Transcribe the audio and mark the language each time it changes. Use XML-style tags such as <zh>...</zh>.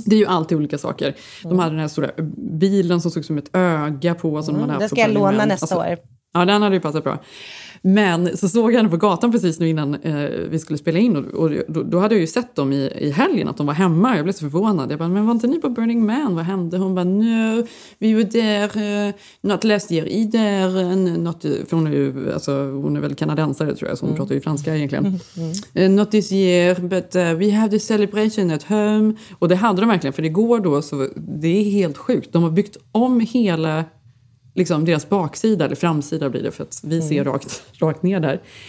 <sv>Det är ju alltid olika saker. De hade den här stora bilen som såg som ett öga på. Alltså, den ska jag låna nästa år. Ja, den hade ju passat bra. Men så såg jag henne på gatan precis nu innan vi skulle spela in. Och då hade jag ju sett dem i helgen att de var hemma. Jag blev så förvånad. Jag bara, men var inte ni på Burning Man? Vad hände? Hon bara,</sv> <en>no, we were there. Not last year either.</en> <sv>För hon är ju, alltså, hon är väl kanadensare tror jag. Så hon pratar ju franska egentligen.</sv> <en>Not this year, but we have the celebration at home.</en> <sv>Och det hade de verkligen. För det går då, så det är helt sjukt. De har byggt om hela... liksom deras baksida, eller framsida blir det, för att vi ser rakt ner där.</sv>